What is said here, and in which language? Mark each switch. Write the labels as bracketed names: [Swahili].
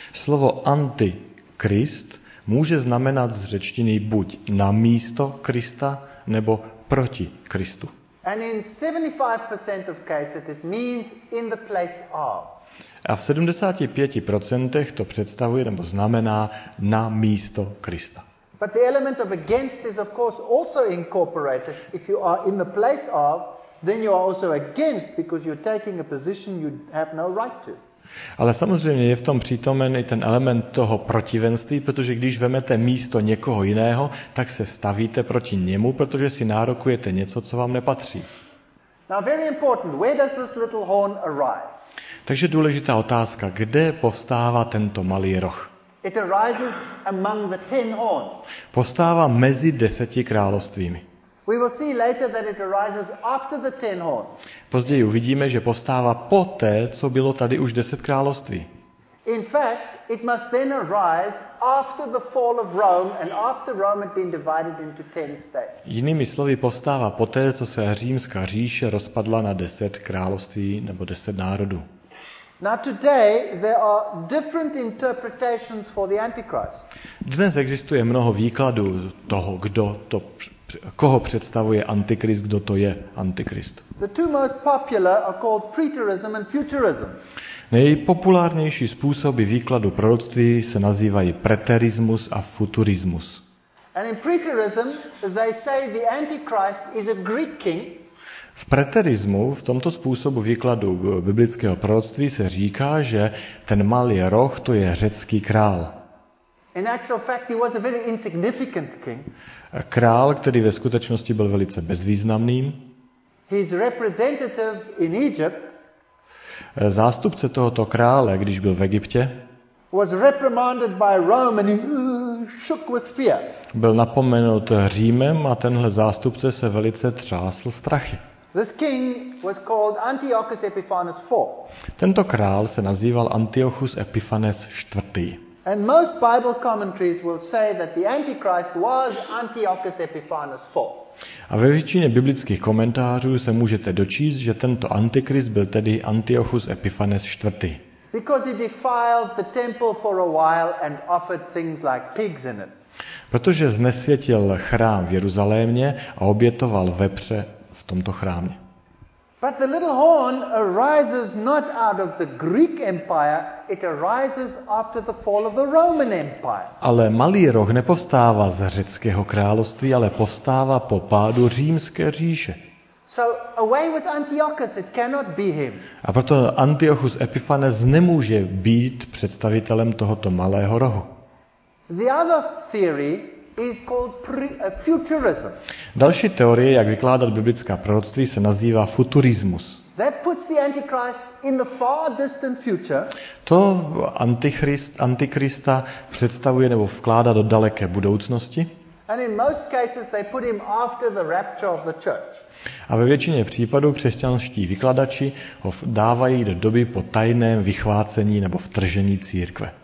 [Czech] Slovo antichrist může znamenat z řečtiny buď na místo Krista nebo proti Kristu. [English] And in 75% of cases it means in the place of. [Czech] A v 75% to představuje nebo znamená na místo Krista. [English] But the element of against is of course also incorporated. If you are in the place of, then you are also against because you're taking a position you have no right to. [Czech] Ale samozřejmě je v tom přítomen i ten element toho protivenství, protože když vezmete místo někoho jiného, tak se stavíte proti němu, protože si nárokujete něco, co vám nepatří. [English] Now very important, where does this little horn arise? [Czech] Takže důležitá otázka, kde povstává tento malý roh? [English] It arises among the ten horns. [Czech] Postává mezi deseti královstvími. [English] We will see later that it arises after the ten horns. [Czech] Později uvidíme, že postává poté, co bylo tady už deset království. [English] In fact, it must then arise after the fall of Rome and after Rome had been divided into ten states. [Czech] Jinými slovy, postává poté, co se římská říše rozpadla na deset království nebo deset národů. [English] Now today there are different interpretations for the Antichrist. [Czech] Dnes existuje mnoho výkladů toho, kdo to, koho představuje Antikrist, kdo to je Antikrist. [English] The two most popular are called preterism and futurism. [Czech] Nejpopulárnější způsoby výkladu proroctví se nazývají preterismus a futurismus. [English] And in preterism they say the Antichrist is a Greek king. [Czech] V preterismu, v tomto způsobu výkladu biblického proroctví, se říká, že ten malý roh, to je řecký král. [English] In actual fact, he was a very insignificant king. [Czech] Král, který ve skutečnosti byl velice bezvýznamným. [English] His representative in Egypt, [Czech] zástupce tohoto krále, když byl v Egyptě, [English] was reprimanded by Rome and he shook with fear. [Czech] Byl napomenut Římem a tenhle zástupce se velice třásl strachy. [English] This king was called Antiochus Epiphanes IV. [Czech] Tento král se nazýval Antiochus Epiphanes IV. [English] And most Bible commentaries will say that the Antichrist was Antiochus Epiphanes IV. [Czech] A ve většině biblických komentářů se můžete dočíst, že tento antikrist byl tedy Antiochus Epiphanes IV. [English] Because he defiled the temple for a while and offered things like pigs in it. [Czech] Protože znesvětil chrám v Jeruzalémě a obětoval vepře. tomto chrámě. [English] But the little horn arises not out of the Greek Empire, it arises after the fall of the Roman Empire. [Czech] Ale malý roh nepovstává z řeckého království, ale povstává po pádu římské říše. [English] So away with Antiochus, it cannot be him. [Czech] A proto Antiochus Epiphanes nemůže být představitelem tohoto malého rohu. [English] The other theory is called futurism. [Czech] Další teorie, jak vykládat biblická proroctví, se nazývá futurismus. [English] That puts the Antichrist in the far distant future. [Czech] To antikrista představuje nebo vkládá do daleké budoucnosti. [English] And in most cases they put him after the rapture of the church. [Czech] A ve většině případů křesťanští vykladači ho dávají do doby po tajném vychvácení nebo vtržení církve.